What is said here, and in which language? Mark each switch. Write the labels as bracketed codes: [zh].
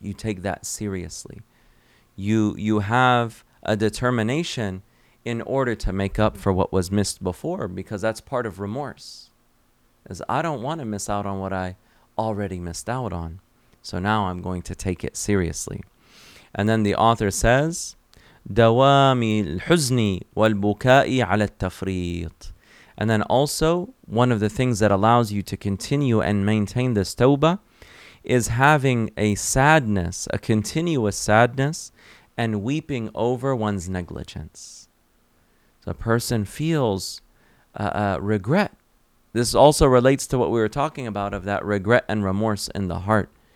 [en] You take that seriously. You have a determination in order to make up for what was missed before, because that's part of remorse. Is I don't want to miss out on what I already missed out on. So now I'm going to take it seriously. And then the author says, [ar] دوام الحزن والبكاء على التفريط. [en] And then also, one of the things that allows you to continue and maintain this tawbah is having a sadness, a continuous sadness, and weeping over one's negligence. A person feels regret. This also relates to what we were talking about, of that regret and remorse in the heart.